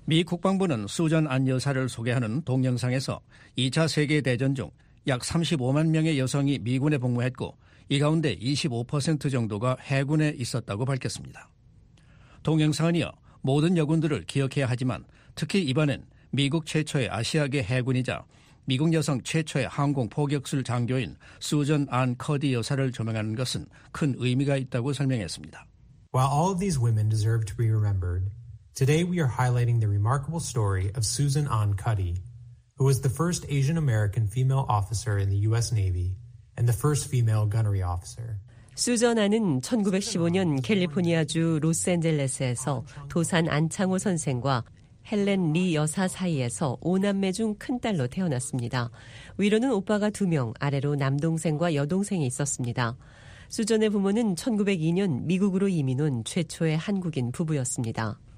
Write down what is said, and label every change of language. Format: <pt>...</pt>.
<ko>미 국방부는 수전 안 여사를 소개하는 동영상에서 2차 세계대전 중 약 35만 명의 여성이 미군에 복무했고 이 가운데 25% 정도가 해군에 있었다고 밝혔습니다. 동영상은 이어 모든 여군들을 기억해야 하지만 특히 이번엔 미국 최초의 아시아계 해군이자 미국 여성 최초의 항공 포격술 장교인 수전 안 커디 여사를 조명하는 것은 큰 의미가 있다고 설명했습니다.</ko> <en>While all of these women deserve to be remembered, today we are highlighting the remarkable story of Susan Ann Cuddy, who was the first Asian American female officer in the US Navy and the first female gunnery officer.</en> <ko>수전 안은 1915년 캘리포니아주 로스앤젤레스에서 도산 안창호 선생과 헬렌 리 여사 사이에서 5남매 중 큰딸로 태어났습니다. 위로는 오빠가 두 명, 아래로 남동생과 여동생이 있었습니다. 수전의 부모는 1902년 미국으로 이민 온 최초의 한국인 부부였습니다.</ko>